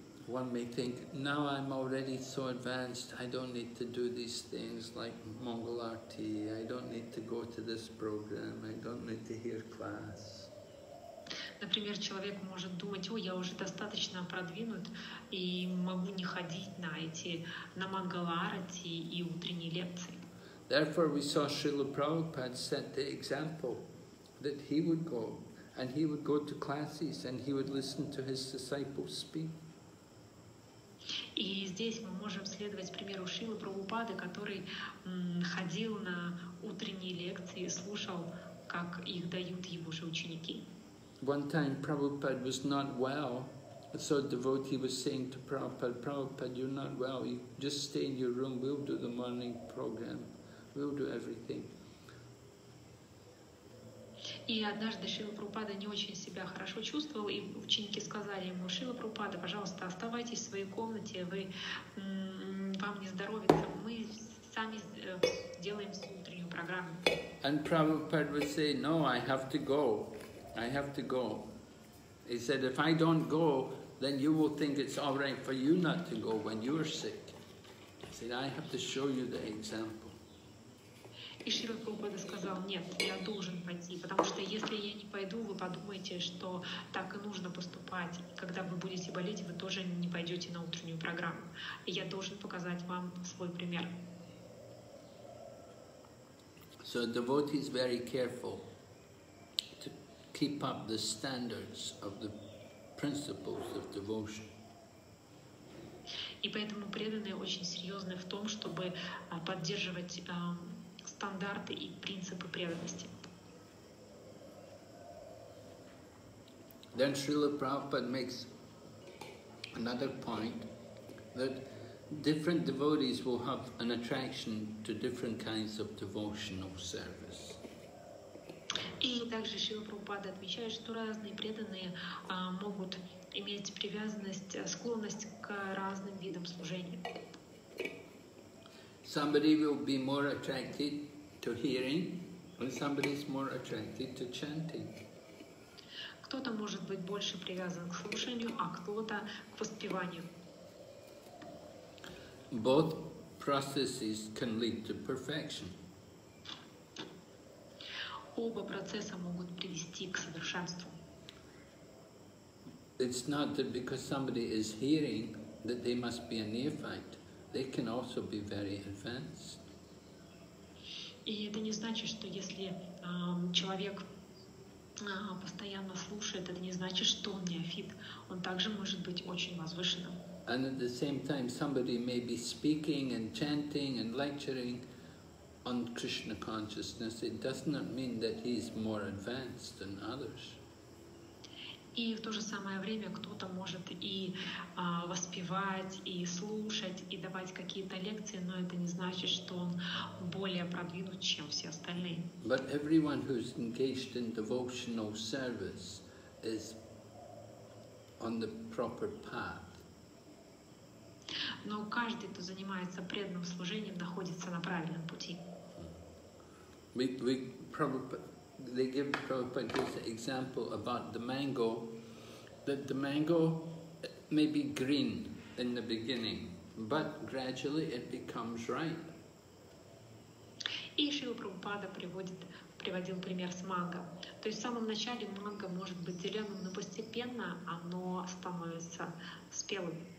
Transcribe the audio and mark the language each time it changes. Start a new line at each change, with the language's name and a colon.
English: One may think, now I'm already so advanced, I don't need to do these things like Mangal Arati, I don't need to go to this program, I don't need to hear class.
Russian: Например, человек может думать, ой, я уже достаточно продвинут и могу не ходить на эти, на Mangal Arati и утренние лекции.
English: Therefore, we saw Srila Prabhupada set the example that he would go, and he would go to classes, and he would listen to his disciples speak.
Russian: И здесь мы можем следовать примеру Шрилы Прабхупады, который ходил на утренние лекции, слушал, как их дают его же ученики.
English: One time Prabhupada was not well, so a devotee was saying to Prabhupada, Prabhupada, you're not well, you just stay in your room, we'll do the morning program, we'll do everything.
Russian: И однажды Шрила Прабхупада не очень себя хорошо чувствовал, и ученики сказали ему, Шрила Прабхупада, пожалуйста, оставайтесь в своей комнате, вам не здоровится, мы сами делаем утреннюю программу.
English: And Prabhupada would say, no, I have to go, I have to go. He said, if I don't go, then you will think it's all right for you not to go when you are sick. He said, I have to show you the example.
Russian: И Шрила Прабхупада сказал, нет, я должен пойти, потому что если я не пойду, вы подумаете, что так и нужно поступать. И когда вы будете болеть, вы тоже не пойдете на утреннюю программу. И я должен показать вам свой пример.
English: So a devotee is very careful to keep up the standards of the principles of devotion.
Russian: И поэтому преданные очень серьезны в том, чтобы поддерживать стандарты и принципы преданности.
English: Then Srila Prabhupada makes another point that different devotees will have an attraction to different kinds of devotional service.
Russian: И также Шрила Прабхупада отмечает, что разные преданные могут иметь привязанность, склонность к разным видам служения.
English: Somebody will be more attracted to hearing, and somebody is more attracted to chanting.
Russian: Кто-то может быть больше привязан к слушанию, а кто-то к воспеванию.
English: Both processes can lead to perfection.
Russian: Оба процесса могут привести к совершенству.
English: It's not that because somebody is hearing that they must be a neophyte. They can also be very advanced.
Russian: И это не значит, что если человек постоянно слушает, это не значит, что он неофит. Он также может быть очень возвышенным.
English: And at the same time, somebody may be speaking and chanting and lecturing on Krishna consciousness. It does not mean that he is more advanced than others.
Russian: И в то же самое время кто-то может и воспевать, и слушать, и давать какие-то лекции, но это не значит, что он более продвинут, чем все остальные.
English: But everyone who's engaged in devotional service is on the proper path.
Russian: Но каждый, кто занимается преданным служением, находится на правильном пути.
English: We probably, they give Prabhupada this example about the mango. That the mango may be green in the beginning, but gradually it becomes ripe.
Russian: И Шрила Прабхупада приводил пример с манго. То есть в самом начале манго может быть зеленым, но постепенно оно становится спелым.